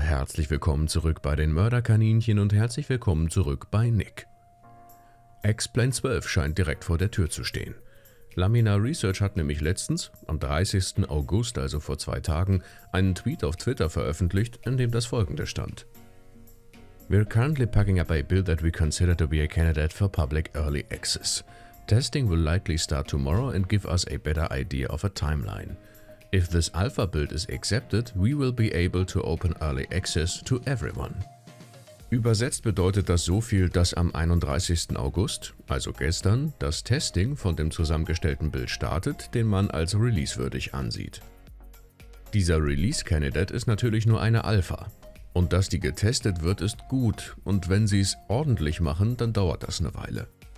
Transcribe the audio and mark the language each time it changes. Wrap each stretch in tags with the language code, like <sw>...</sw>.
<de>Herzlich willkommen zurück bei den Mörderkaninchen und herzlich willkommen zurück bei Nick. X-Plane 12 scheint direkt vor der Tür zu stehen. Lamina Research hat nämlich letztens, am 30. August, also vor 2 Tagen, einen Tweet auf Twitter veröffentlicht, in dem das folgende stand.</de> <en>We're currently packing up a build that we consider to be a candidate for public early access. Testing will likely start tomorrow and give us a better idea of a timeline. If this alpha build is accepted, we will be able to open early access to everyone.</en> <de>Übersetzt bedeutet das so viel, dass am 31. August, also gestern, das Testing von dem zusammengestellten Build startet, den man als releasewürdig ansieht. Dieser Release-Candidate ist natürlich nur eine Alpha. Und dass die getestet wird, ist gut, und wenn sie es ordentlich machen, dann dauert das eine Weile.</de>